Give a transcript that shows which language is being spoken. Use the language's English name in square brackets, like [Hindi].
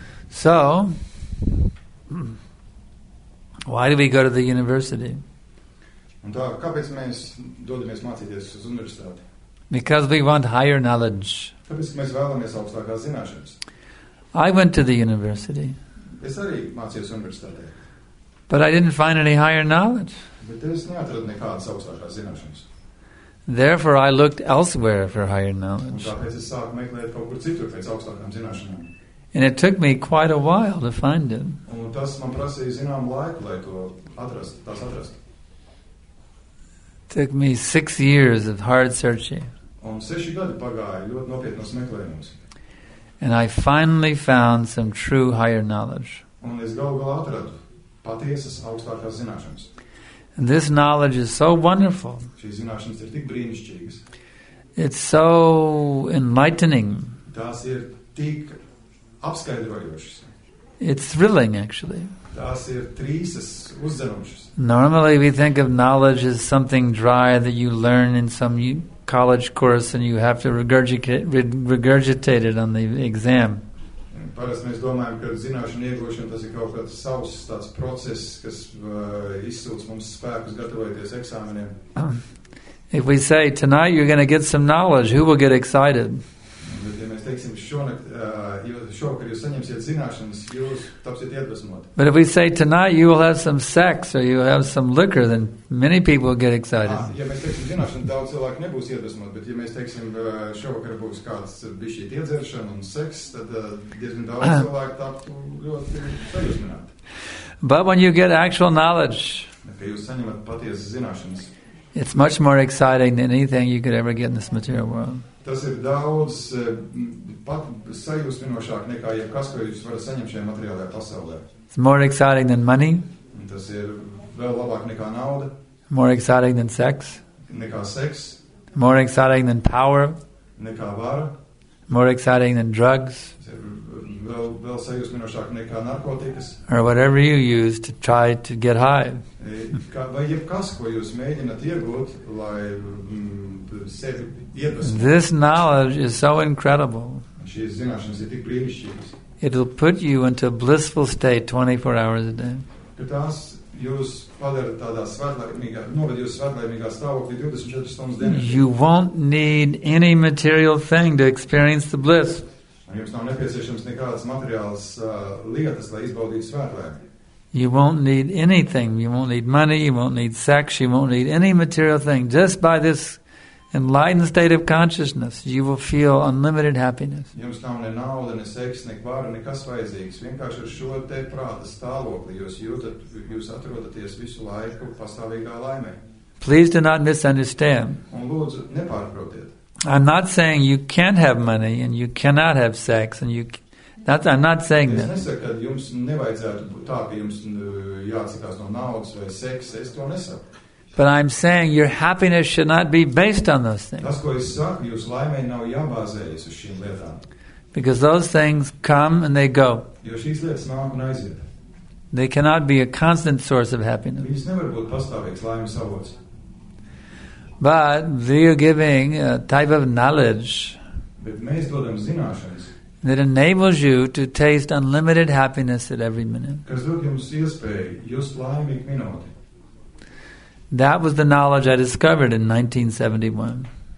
[English] So, why do we go to the university? [Latvian] Kāpēc mēs dodamies mācīties uz universitāti? [English] Because we want higher knowledge. [Latvian] Tāpēc mēs vēlamies augstākās zināšanas. [English] I went to the university. [Latvian] Es arī mācījos universitātē. [English] But I didn't find any higher knowledge. [Latvian] Bet es neatradu nekādas augstākās zināšanas. [English] Therefore, I looked elsewhere for higher knowledge. [Latvian] Un tāpēc es sāku meklēt kaut kur citur pēc augstākām zināšanām. [English] And it took me quite a while to find it. [Latvian] Un tas man prasīja zinām laiku, lai to atrast, tas atrast. [English] Took me 6 years of hard searching. [Latvian] Un 6 gadi pagāja ļoti nopietnos meklējumus. [English] And I finally found some true higher knowledge. [Latvian] Un es galu galā atradu patiesas augstākās zināšanas. [English] And this knowledge is so wonderful. [Latvian] Šīs zināšanas ir tik brīnišķīgas. [English] It's so enlightening. [Latvian] Tās ir tik apskaidrojošas. [English] It's thrilling, actually. [Latvian] Tās ir trīsas uzdzenošas. [English] Normally we think of knowledge as something dry that you learn in some college course and you have to regurgitate it on the exam. [Latvian] Parasti mēs domājam, ka zināšanu iegūšana tas ir kaut kāds savs tāds process, kas izsūc mums spēkus gatavoties eksāmeniem. [English] If we say, tonight you're going to get some knowledge, who will get excited? [Latvian] Bet, ja mēs teiksim, šovakar jūs saņemsiet zināšanas, jūs tapsiet iedvesmoti. [English] But if we say, tonight you will have some sex or you will have some liquor, then many people will get excited. [Latvian] Ja mēs teiksim zināšanu, daudz cilvēku nebūs iedvesmot, bet ja mēs teiksim, šovakar būs kāds bišķīt iedzeršana un seks, tad diezgan daudz cilvēku taptu ļoti sajūsmināt. [English] But when you get actual knowledge, [Latvian] ja jūs saņemat patiesas zināšanas, [English] it's much more exciting than anything you could ever get in this material world. [Latvian] Tas ir daudz pat sajūsminošāk nekā jebkas, ko jūs varat saņemt šajā materiālajā pasaulē. [English] It's more exciting than money. [Latvian] Tas ir vēl labāk nekā nauda. [English] More exciting than sex. [Latvian] Nekā seks. [English] More exciting than power. [Latvian] Nekā vara. [English] More exciting than drugs. [Latvian] vēl sajūsminošāk nekā narkotikas. [English] Or whatever you use to try to get high. [Latvian] Vai jebkas, ko jūs mēģināt iegūt, lai sevi iedvesmot. [English] This knowledge is so incredible. [Latvian] Šīs zināšanas ir tik brīnišķīgas. [English] It will put you into a blissful state 24 hours a day. [Latvian] Tās jūs padara tādā svētlaimīgā, noved jūs svētlaimīgā stāvoklī 24 stundas dienā. [English] You won't need any material thing to experience the bliss. [Latvian] Jums nav nepieciešams nekādas materiālas lietas, lai izbaudītu svētlaimi. [English] You won't need anything. You won't need money, you won't need sex, you won't need any material thing. Just by this enlightened state of consciousness, you will feel unlimited happiness. [Latvian] Jums nav ne nauda, ne seks, ne kvara, nekas vajadzīgs. Vienkārši ar šo te prāta stāvokli jūs jūtat, jūs atrodaties visu laiku pastāvīgā laimē. [English] Please do not misunderstand. [Latvian] Un lūdzu, nepārprotiet. [English] I'm not saying you can't have money and you cannot have sex and you that's I'm not saying [Latvian] es [English] that. [Latvian] Es nesaku, ka jums nevajadzētu būt tā, ka jums jāatsakās no naudas vai seks, es to nesaku. [English] But I'm saying your happiness should not be based on those things. [Latvian] Tas, ko es saku, jūs laimē nav jābāzējas uz šīm lietām. [English] Because those things come and they go. [Latvian] Jo šīs lietas nāk un aiziet. [English] They cannot be a constant source of happiness. [Latvian] Viņas nevar būt pastāvīgs laimes avots. [English] But they are giving a type of knowledge that enables you to taste unlimited happiness at every minute. That was the knowledge I discovered in 1971.